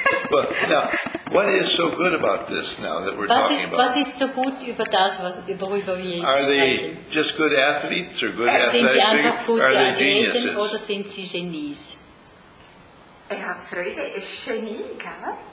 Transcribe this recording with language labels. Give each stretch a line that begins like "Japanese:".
English: Well, now, what is so good about this now that we're
German: was
English: talking about?
German: Was ist so gut über das, worüber wir jetzt sprechen?
English: Are they just good athletes or good athletes?
German: Sind die einfach gute Athleten oder sind sie Genies? Er hat Freude, er ist Genie, gell?